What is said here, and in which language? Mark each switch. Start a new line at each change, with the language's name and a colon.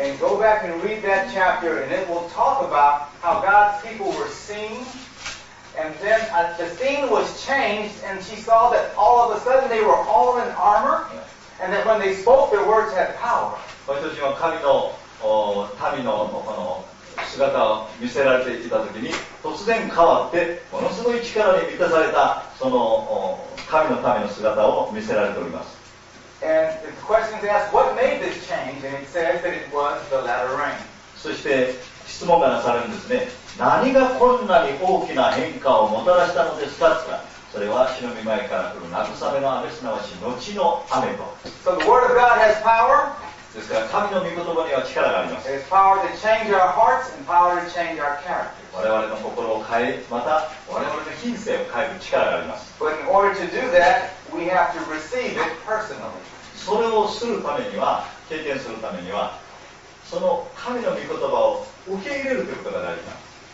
English: And go back and read that chapter, and it will talk about how God's people were seen, and then the scene was changed, and she saw that all of a sudden they were all in armor, and that when they spoke, their words had power.
Japanese: 私は神の民のこの姿を見せられていたときに、突然変わってものすごい力に満たされたその神の民の姿を見せられております。
English: And the question is asked, what made this change? And it says that it was the latter rain.
Japanese: そして質問がなされるんですね。何がこんなに大きな変化をもたらしたのですか？とか、それは死の御前から来る慰めの雨、すなわち後の雨と。
English: So the word of God has power.
Japanese: ですから神の御言葉には力があります。
English: It's power to change our hearts and power to change our characters.
Japanese: 我々の心を変え、また我々の品性を変える力があります。
English: But in order to do that, we have to receive it personally.
Japanese: それをするためには、経験するためには、その神の御言葉を受け入れるということが大事なんです。